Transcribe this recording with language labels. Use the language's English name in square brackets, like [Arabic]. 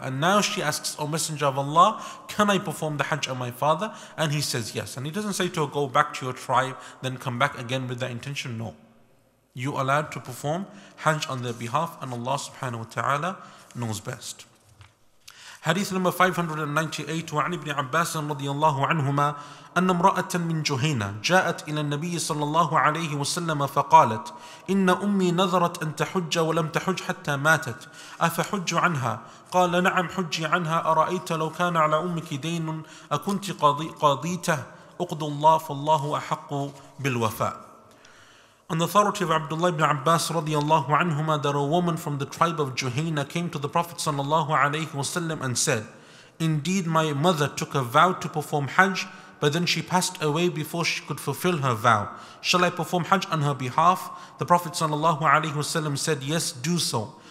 [English] And now she asks, O Messenger of Allah, can I perform the Hajj of my father? And he says, yes. And he doesn't say to her, go back to your tribe, then come back again with that intention. No. You are allowed to perform Hajj on their behalf, and Allah subhanahu wa ta'ala knows best. [Arabic] Hadith number 598, وعن ابن عباس رضي الله عنهما أن امرأة من جهينة جاءت إلى النبي صلى الله عليه وسلم فقالت إن أمي نذرت أن تحج ولم تحج حتى ماتت أفحج عنها؟ قال نعم حجي عنها. أرأيت لو كان على أمك دين أكنت قاضيته؟ أقض الله فالله أحق بالوفاء. [English] On the authority of Abdullah ibn Abbas radiallahu anhuma, that a woman from the tribe of Juhayna came to the Prophet sallallahu alayhi wasallam and said, indeed my mother took a vow to perform Hajj, but then she passed away before she could fulfill her vow. Shall I perform Hajj on her behalf? The Prophet sallallahu alayhi wasallam said, yes, do so.